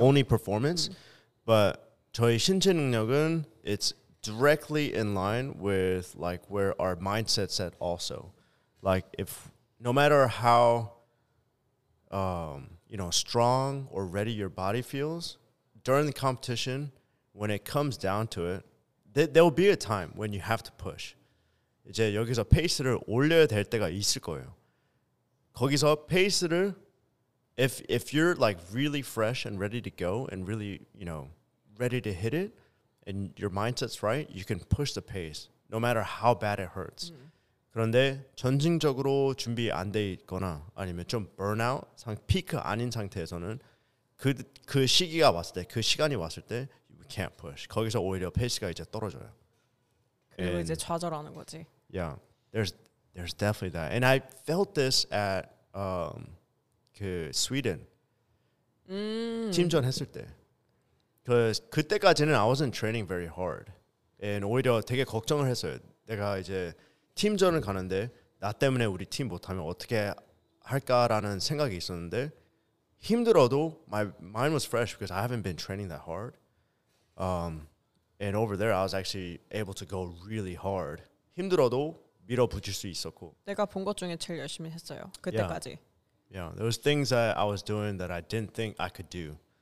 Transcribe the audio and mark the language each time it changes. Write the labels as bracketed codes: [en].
[en] only performance but [ko] 저희 신체 능력은 [en] it's directly in line with like where our mindset's at also. Like if no matter how you know strong or ready your body feels during the competition, when it comes down to it, there will be a time when you have to push. [ko] 이제 여기서 페이스를 올려야 될 때가 있을 거예요. 거기서 페이스를 [en] if you're like really fresh and ready to go and really you know. Ready to hit it, and your mindset's right. You can push the pace, no matter how bad it hurts. [ko] 그런데 전진적으로 준비 안 돼 있거나 아니면 좀 burnout 상 peak 아닌 상태에서는 그 시기가 왔을 때 그 시간이 왔을 때 [en] we can't push. [ko] 거기서 오히려 페이스가 이제 떨어져요. 그리고 이제 좌절하는 거지. [en] Yeah, there's definitely that. And I felt this at [ko] 그 Sweden 팀전 했을 때. [en] Because [ko] 그때까지는 [en] I wasn't training very hard. And [ko] 오히려 되게 걱정을 했어요. 내가 이제 팀전을 가는데 나 때문에 우리 팀 못하면 어떻게 할까라는 생각이 있었는데 힘들어도 [en] my mind was fresh because I haven't been training that hard. And over there I was actually able to go really hard. [ko] 힘들어도 밀어붙일 수 있었고. 내가 본 것 중에 제일 열심히 했어요. 그때까지. [en] Yeah. Yeah, there was things that I was doing that I didn't think I could do.